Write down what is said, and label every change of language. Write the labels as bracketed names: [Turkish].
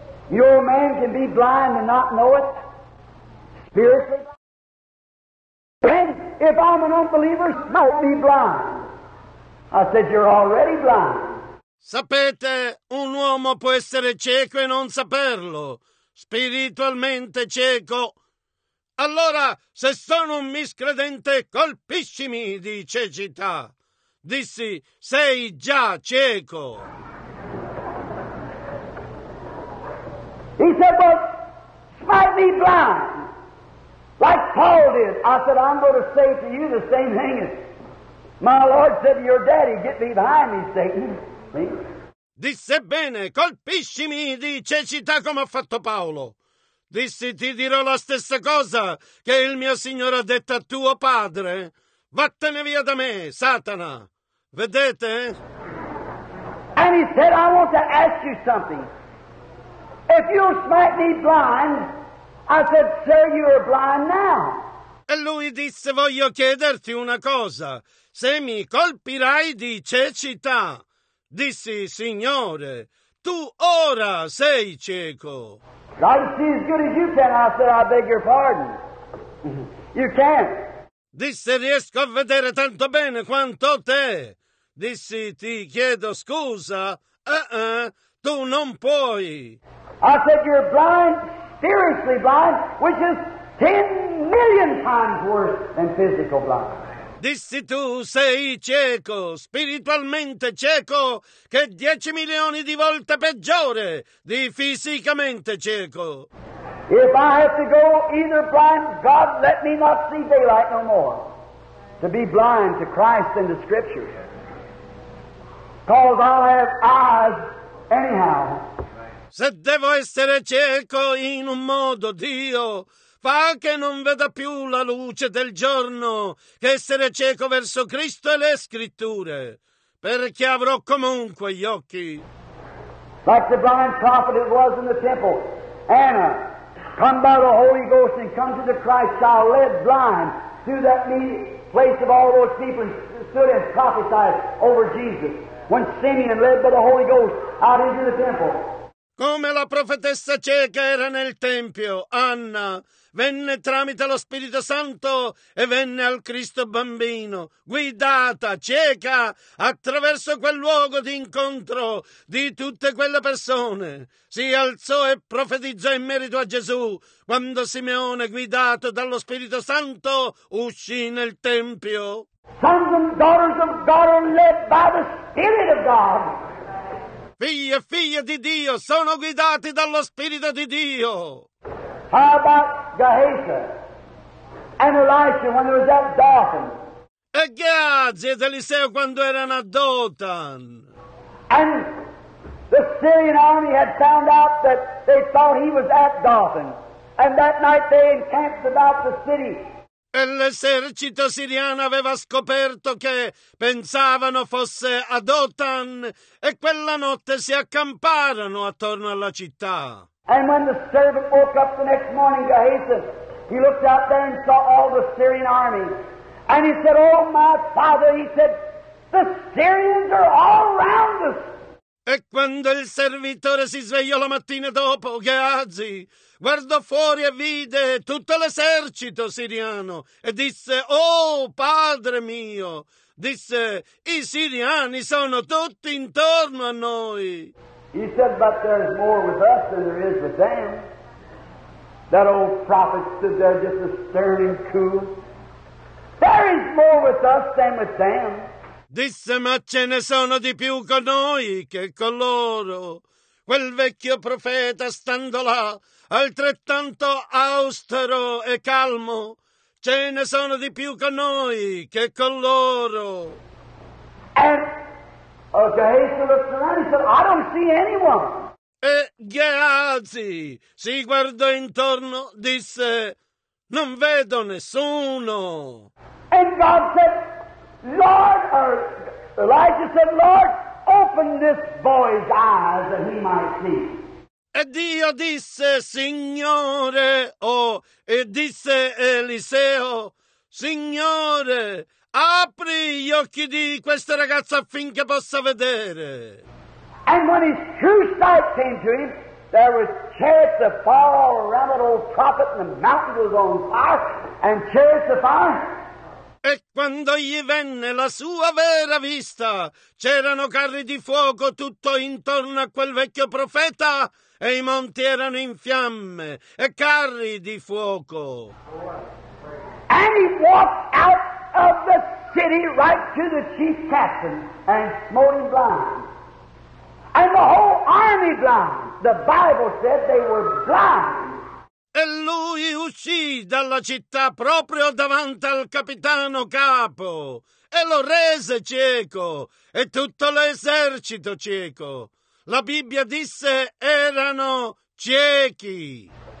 [English] Your man can be blind and not know it, spiritually. And if I'm an unbeliever, might be blind. I said, you're already blind. [Italian] Sapete, un uomo può essere cieco e non saperlo, spiritualmente cieco. Allora, se sono un miscredente, colpiscimi di cecità. Dissi, sei già cieco. [English] He said, well, smite me blind, like Paul did. I said, I'm going to say to you the same thing as my Lord said to your daddy, get me behind me, Satan. [Italian] Disse bene, colpiscimi di cecità come ha fatto Paolo. Dissi, ti dirò la stessa cosa che il mio Signore ha detto a tuo padre. Vattene via da me, Satana. Vedete? [English] And he said, I want to ask you something. If you'll smite me blind, I said, sir, you are blind now. [Italian] E lui disse, voglio chiederti una cosa. Se mi colpirai di cecità, dissi, Signore, tu ora sei cieco. [English] God sees as good as you can. I said, I beg your pardon. You can't. [Italian] Disse, riesco a vedere tanto bene quanto te. Dissi, ti chiedo scusa. Tu non puoi. [English] I said, you're blind, spiritually blind, which is 10 million times worse than physical blind. [Italian] Dissi, tu sei cieco, spiritualmente cieco, che 10 milioni di volte peggiore di fisicamente cieco. [English] If I have to go either blind, God let me not see daylight no more. To be blind to Christ and the Scripture. Because I'll have eyes anyhow. [Italian] Se devo essere cieco in un modo, Dio, fa che non veda più la luce del giorno, che essere cieco verso Cristo e le Scritture, perché avrò comunque gli occhi. [English] Like the blind prophet it was in the temple, Anna, come by the Holy Ghost and come to the Christ, thou led blind through that meeting place of all those people and stood and prophesied over Jesus, when Simeon led by the Holy Ghost out into the temple. [Italian] Come la profetessa cieca era nel Tempio, Anna, venne tramite lo Spirito Santo e venne al Cristo bambino, guidata, cieca, attraverso quel luogo di incontro di tutte quelle persone. Si alzò e profetizzò in merito a Gesù, quando Simeone, guidato dallo Spirito Santo, uscì nel Tempio. [English] Sons and daughters of God are led by the Spirit of God. [Italian] figli e figlie di Dio sono guidati dallo Spirito di Dio. [English] How about Gehazi and Elisha when there was at Dothan? [Italian] E Gehazi ed Eliseo quando erano a Dothan. [English] And the Syrian army had found out that they thought he was at Dothan. And that night they encamped about the city. [Italian] E l'esercito siriano aveva scoperto che pensavano fosse a Dothan e quella notte si accamparono attorno alla città. [English] And when the servant woke up the next morning, Gehazi, he looked out there and saw all the Syrian army. And he said, oh my father, he said, the Syrians are all around us. [Italian] E quando il servitore si svegliò la mattina dopo, Gehazi guardò fuori e vide tutto l'esercito siriano e disse, oh padre mio, disse, i siriani sono tutti intorno a noi. [English] He said, but there's more with us than there is with them. That old prophet stood there just a stern and cool. There is more with us than with them. [Italian] Disse, ma ce ne sono di più con noi che con loro. Quel vecchio profeta, stando là, altrettanto austero e calmo, ce ne sono di più con noi che con loro. [English] And Gehazi looked around and said, I don't see anyone. [Italian] E Gehazi si guardò intorno, disse, non vedo nessuno. [English] And God said, Lord, or Elijah said, Lord, open this boy's eyes that he might see. [Italian] E Dio disse, Signore, e disse Eliseo, Signore, apri gli occhi di questo ragazzo affinché possa vedere. [English] And when his true sight came to him, there was chariots of fire all around that old prophet, and the mountain was on fire, and chariots of fire. [Italian] E quando gli venne la sua vera vista, c'erano carri di fuoco tutto intorno a quel vecchio profeta, e i monti erano in fiamme, e carri di fuoco. [English] And he walked out of the city right to the chief captain, and smote him blind. And the whole army blind. The Bible said they were blind. [Italian] E lui uscì dalla città proprio davanti al capitano capo e lo rese cieco e tutto l'esercito cieco. La Bibbia disse erano ciechi.